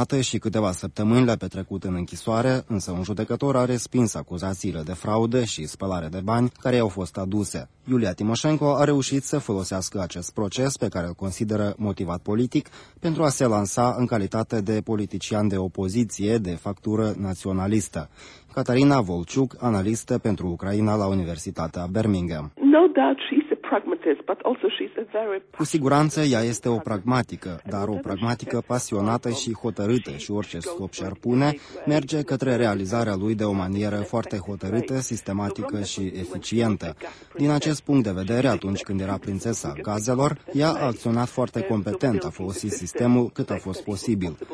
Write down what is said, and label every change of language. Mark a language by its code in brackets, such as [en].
[ro] și câteva săptămâni le-a petrecut în închisoare, însă un judecător a respins acuzațiile de fraudă și spălare de bani care i-au fost aduse. Iulia Timoșenko a reușit să folosească acest proces, pe care îl consideră motivat politic, pentru a se lansa în calitate de politician de opoziție de factură naționalistă. Catarina Volciuc, analistă pentru Ucraina la Universitatea Birmingham. [en] No doubt she's a pragmatist, but also she's a very... [ro] Cu siguranță ea este o pragmatică, dar o pragmatică pasionată și hotărâtă, și orice scop și-ar pune, merge către realizarea lui de o manieră foarte hotărâtă, sistematică și eficientă. Din acest punct de vedere, atunci când era prințesa gazelor, ea a acționat foarte competent, a folosit sistemul cât a fost posibil.